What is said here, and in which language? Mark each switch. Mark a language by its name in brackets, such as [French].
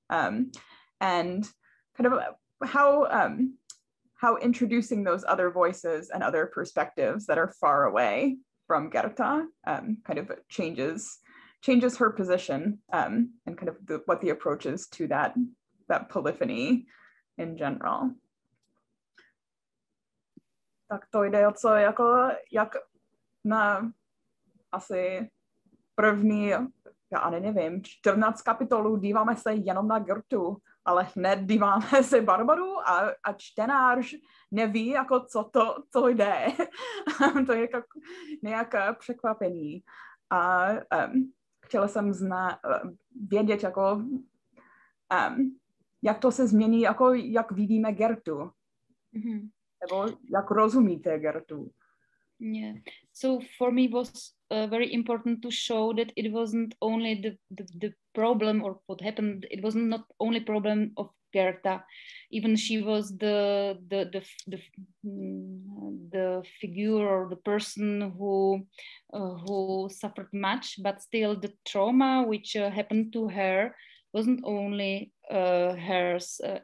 [English] And kind of how introducing those other voices and other perspectives that are far away from Gerta kind of changes her position and kind of what the approach is to that polyphony in general. [Czech] Tak to jde o co, jako, jak na asi první, já nevím, 14 kapitolů díváme se jenom na Gertu, ale hned díváme se Barbaru a čtenář neví, jako co jde. To je jako nějaké překvapení. A chtěla jsem vědět, jako, jak to se změní, jako, jak vidíme Gertu. Mm-hmm. Nebo jak rozumíte Gertu. [English] Yeah. So for me was very important to show that it wasn't only the problem or what happened, it wasn't not only problem of Gerta. Even she was the figure or the person who suffered much, but still the trauma which happened to her wasn't only hers.